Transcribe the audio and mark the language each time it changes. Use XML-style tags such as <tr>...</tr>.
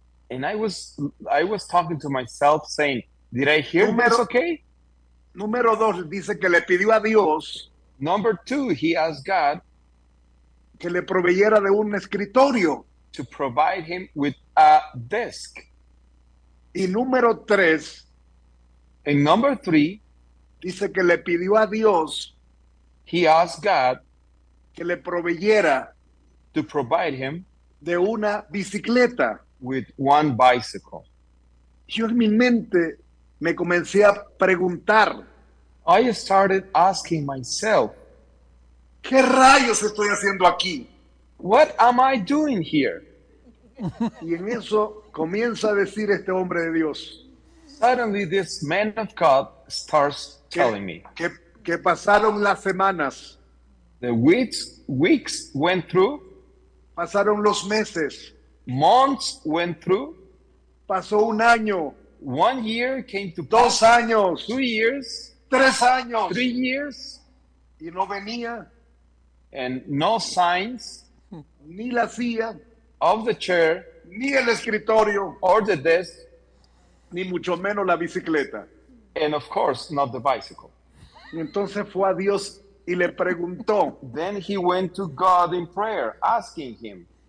<en>And I was talking to myself saying, did I hear this okay?</en> <es>Número dos, dice que le pidió a Dios,</es> <en>number two, he asked God,</en> <es>que le proveyera de un escritorio,</es> <en>to provide him with a desk.</en> <es>Y número tres,</es> <en>and number three,</en> <es>dice que le pidió a Dios,</es> <en>he asked God,</en> <es>que le proveyera,</es> <en>to provide him,</en> <es>de una bicicleta,</es> <en>with one bicycle.</en> <es>Yo en mi mente me comencé a preguntar,</es> <en>I started asking myself,</en> <es>¿qué rayos estoy haciendo aquí?</es> <en>What am I doing here?</en> <es>Y en eso comienza a decir este hombre de Dios.</es> <en>Suddenly this man of God starts telling me.</en> <es>Que pasaron las semanas.</es> <en>The weeks went through.</en> <es>Pasaron los meses.</es> <en>Months went through.</en> <es>Pasó un año.</es> <en>1 year came to pass.</en> <es>2 años.</es> <en>2 years.</en> <es>3 años.</es> <en>3 years.</en> <es>Y no venía.</es> <en>And no signs.</en> <es>Ni la silla,</es> <en>of the chair,</en> <es>ni el escritorio,</es> <en>or the desk,</en> <es>ni mucho menos la bicicleta,</es> <en>and of course not the bicycle.</en> <es>Y entonces fue a Dios y le preguntó.</es> <en>Then he went to God in prayer, asking him,</en>